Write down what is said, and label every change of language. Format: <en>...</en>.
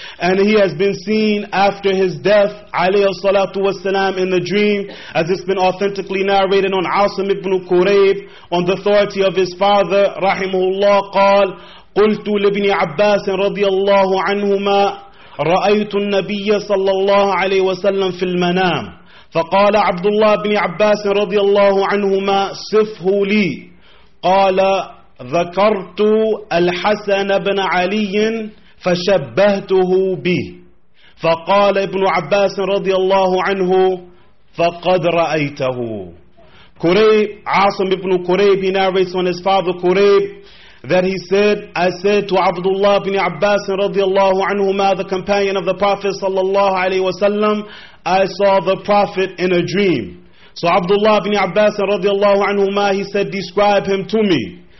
<en>And he has been seen after his death alayhi salatu wa sallam in the dream, as it's been authentically narrated on Asim ibn Qurayb, on the authority of his father rahimahullah,</en> <ar>qal qultu li ibn Abbas radiyallahu anhuma ra'aytu an-nabiyya sallallahu alayhi wa sallam fil manam. فقال عبد الله بن عباس رضي الله عنهما صفه لي قال ذكرت الحسن بن علي فشبهته به فقال ابن عباس رضي الله عنه فقد رأيته.</ar> <en>Kuraib Asim bin Kuraib, he narrates on his father Kuraib that he said, I said to Abdullah ibn Abbas radiallahu anhuma, the companion of the Prophet sallallahu alayhi wa sallam, I saw the Prophet in a dream. So Abdullah ibn Abbas radiallahu anhuma, he said, describe him to me.</en>